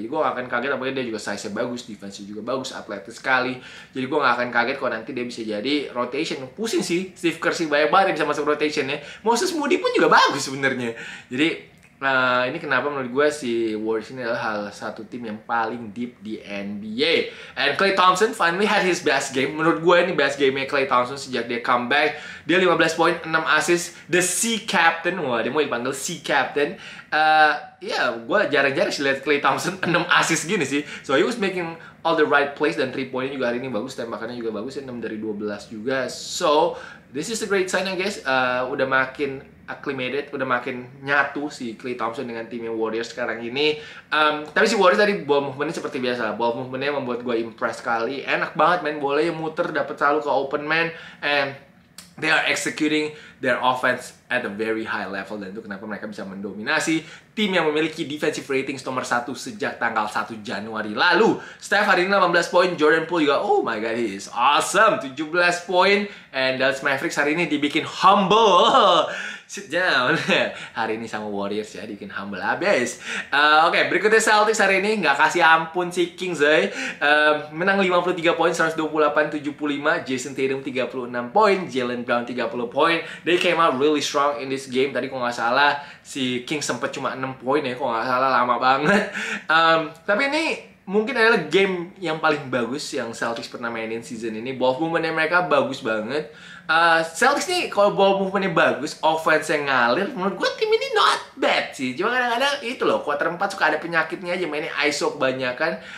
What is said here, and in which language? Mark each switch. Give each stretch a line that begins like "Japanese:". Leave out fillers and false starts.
Indonesian: Jadi gue gak akan kaget, apalagi dia juga size-nya bagus, defense-nya juga bagus, atletis sekali. Jadi gue gak akan kaget kalau nanti dia bisa jadi rotation. Pusing sih Steve Kerr sih, banyak banget yang bisa masuk rotation-nya. Moses Moody pun juga bagus sebenarnya. Jadi nah, ini kenapa menurut gue si Warriors ini adalah hal satu tim yang paling deep di NBA.
English: And Klay Thompson finally had his best game.
Indonesian: Menurut gue ini best game-nya Klay Thompson sejak dia comeback. Dia 15 poin, 6 assist. The Sea Captain. Wah, dia mau dipanggil Sea Captain. Gue jarang-jarang sih lihat Klay Thompson 6 assist gini sih.
English: So he was making all the right plays
Indonesian: dan 3 point-nya juga hari ini bagus. Tembakannya juga bagus ya, 6 dari 12 juga.
English: So, this is a great sign ya guys.
Indonesian: Udah makin acclimated, udah makin nyatu si Klay Thompson dengan timnya Warriors sekarang ini. Tapi si Warriors tadi ball movement-nya seperti biasa. Ball movement-nya membuat gue impress sekali. Enak banget main bolanya muter, dapat selalu ke open man. And
English: they are executing their offense at a very high level,
Indonesian: dan itu kenapa mereka bisa mendominasi tim yang memiliki defensive ratings nomor 1 sejak tanggal 1 Januari lalu. Steph hari ini 18 poin, Jordan Poole juga,
English: oh my god, he is awesome,
Indonesian: 17 poin, and Dallas Mavericks hari ini dibikin humble.
English: Sit down.
Indonesian: Hari ini sama Warriors ya, dibikin humble abis. Oke, berikutnya Celtics hari ini, nggak kasih ampun si Kings, eh. Menang 53 poin, 128-75, Jason Tatum 36 poin, Jalen Brown 30 poin,
English: they came out really strong in this game.
Indonesian: Tadi kok nggak salah, si Kings sempat cuma 6 poin ya, kok nggak salah, lama banget. Tapi ini mungkin adalah game yang paling bagus yang Celtics pernah mainin season ini. Ball movement-nya mereka bagus banget. Celtics nih kalau ball movement-nya bagus, offense-nya ngalir, menurut gue tim ini
English: not bad
Indonesian: sih. Cuma kadang-kadang itu loh, quarter 4 suka ada penyakitnya aja, mainnya ISO kebanyakan.